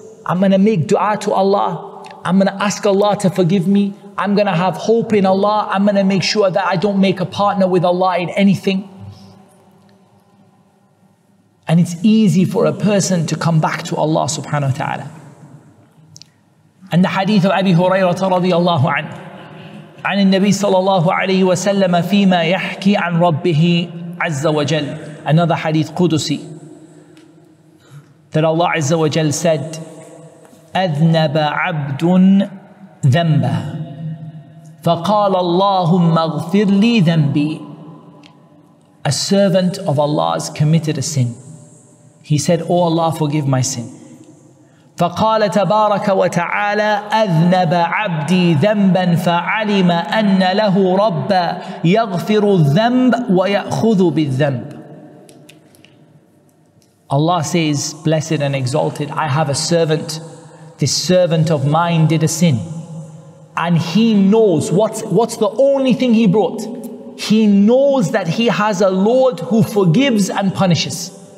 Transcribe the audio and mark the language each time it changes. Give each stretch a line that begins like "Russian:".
English: I'm gonna make dua to Allah, I'm gonna ask Allah to forgive me, I'm gonna have hope in Allah, I'm gonna make sure that I don't make a partner with Allah in anything. And it's easy for a person to come back to Allah subhanahu wa ta'ala. And the hadith of Abi Hurairah radiallahu anhu,
Arabic: عن النبي صلى الله عليه وسلم فيما يحكي عن ربه عز وجل.
English: Another hadith Qudusi, that Allah
Arabic: عز وجل
English: said,
Arabic: أذنب عبد ذنبا فقال اللهم اغفر لي ذنبي.
English: A servant of Allah has committed a sin. He said, oh Allah, forgive my sin.
Arabic: فقال تبارك وتعالى أذنب عبدي ذنبا فعلم أن له رب يغفر الذنب ويأخذ بالذنب.
English: Allah says, blessed and exalted, I have a servant. This servant of mine did a sin. And he knows, what's the only thing he brought? He knows that he has a Lord who forgives and punishes.